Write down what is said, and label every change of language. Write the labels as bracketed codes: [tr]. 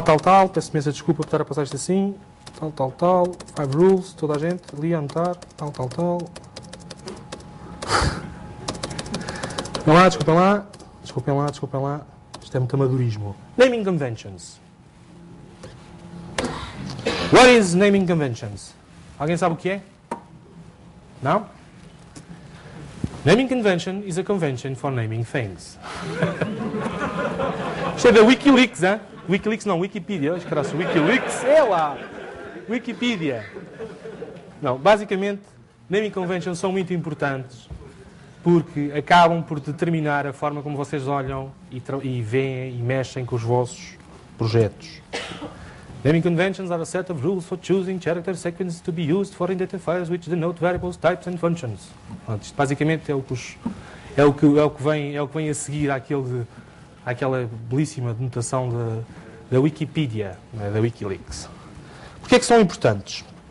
[pt] tal, tal, tal, peço imensa desculpa por estar a passar isto assim. Tal, tal, tal, 5 rules, toda a gente, ali a anotar. Tal, tal, tal. Desculpem lá, desculpem lá, desculpem lá, desculpem lá. Isto é muito amadorismo. [en] Naming conventions. What is naming conventions? [pt] Alguém sabe o que é? Não? [en] Naming convention is a convention for naming things. [pt] Isto é da Wikileaks, hein? Wikileaks não, Wikipedia. Escreve-se Wikileaks. É lá. Wikipedia. Não, basicamente, naming conventions são muito importantes porque acabam por determinar a forma como vocês olham e veem e mexem com os vossos projetos. [en] Naming conventions are a set of rules for choosing character sequences to be used for identifiers which denote variables, types and functions. [pt] Pronto, isto basicamente é o que vem a seguir àquela belíssima denotação da Wikipedia, né, da Wikileaks. Porquê é que são importantes?